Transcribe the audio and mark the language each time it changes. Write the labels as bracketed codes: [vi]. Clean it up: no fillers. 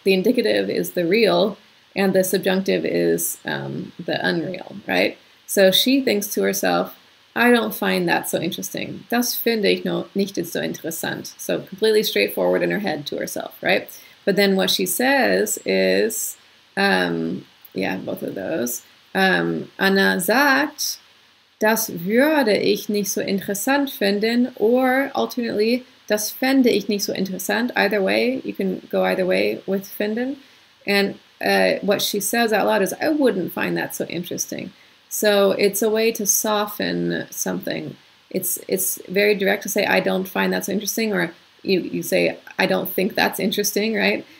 [en] The indicative is the real, and the subjunctive is the unreal, right? So she thinks to herself, I don't find that so interesting. Das finde ich nicht so interessant. So completely straightforward in her head to herself, right? But then what she says is, both of those. [de] Anna sagt, das würde ich nicht so interessant finden, or alternately, das fände ich nicht so interessant. [en] Either way, you can go either way with finden. And what she says out loud is, I wouldn't find that so interesting. So it's a way to soften something. It's very direct to say, I don't find that so interesting, or you say, I don't think that's interesting, right?